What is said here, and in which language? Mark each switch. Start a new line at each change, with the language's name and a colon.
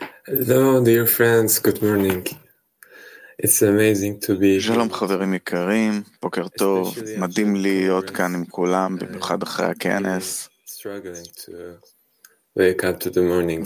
English: Hello, dear friends, good morning. It's amazing to be here.
Hebrew: שלום חברים יקרים, בוקר טוב, מדהים להיות כאן עם כולם, במיוחד אחרי הכנס.
English: Struggling to wake up to the morning.